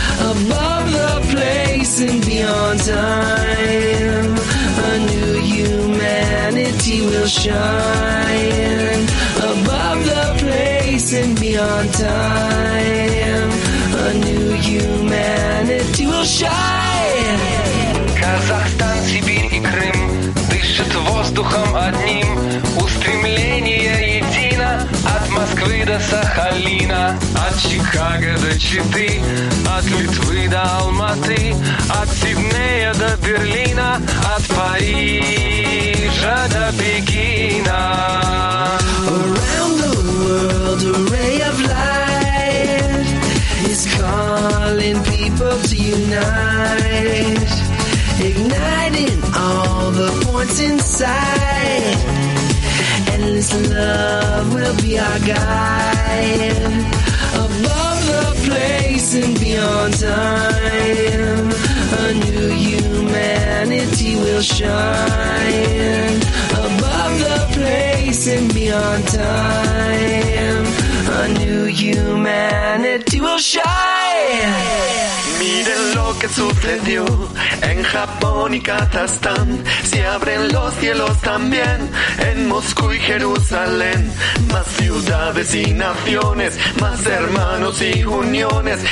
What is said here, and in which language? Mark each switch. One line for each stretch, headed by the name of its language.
English: Above the place and beyond time, a new humanity will shine. Above the place and beyond time, a new humanity will shine.
Russian: Казахстан, Сибирь и Крым дышат воздухом одним. Устремление едино от Москвы до Сахалина, от Чикаго до Читы, от Литвы до Алматы, от Сиднея до Берлина, от Парижа до Пекина.
English: Around the world a ray of light is calling people to unite. Igniting all the points inside. Endless love will be our guide. Above the place and beyond time, a new humanity will shine. Above the place and beyond time, a new humanity will shine.
Spanish: Miren lo que sucedió en Japón y Kazajstán. Se abren los cielos también en Moscú y Jerusalén. Más ciudades y naciones, más hermanos y uniones.